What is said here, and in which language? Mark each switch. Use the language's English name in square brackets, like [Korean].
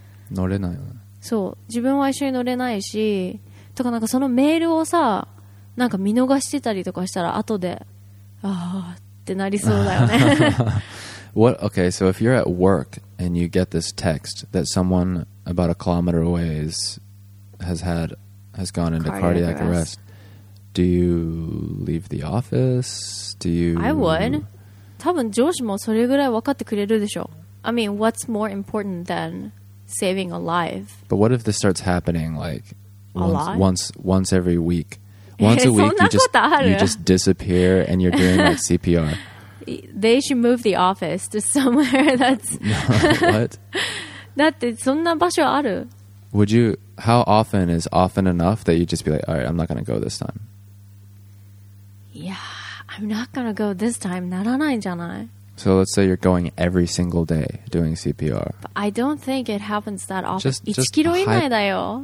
[Japanese] 乗れないよね。そう、自分は一緒に乗れないしとか、なんかそのメールをさ、なんか見逃してたりとかしたら後で、ああってなりそうだよね。 [English] What? Okay, so if you're at work and you get this text that someone about a kilometer away has gone into cardiac arrest, do you leave the office? Do you? I would. [Japanese] 多分上司もそれぐらい分かってくれるでしょ。 [English] I mean, what's more important than saving a life? But what if this starts happening like? Once every week. Once a week, you just disappear and you're doing like CPR. They should move the office to somewhere that's... What? [Japanese] だってそんな場所ある? [English] Would you... How often is often enough that you just be like, all right, I'm not going to go this time? Yeah, I'm not going to go this time. [Japanese] ならないんじゃない? [English] So let's say you're going every single day doing CPR. But I don't think it happens that often. [Japanese] Just 1km 以内だよ。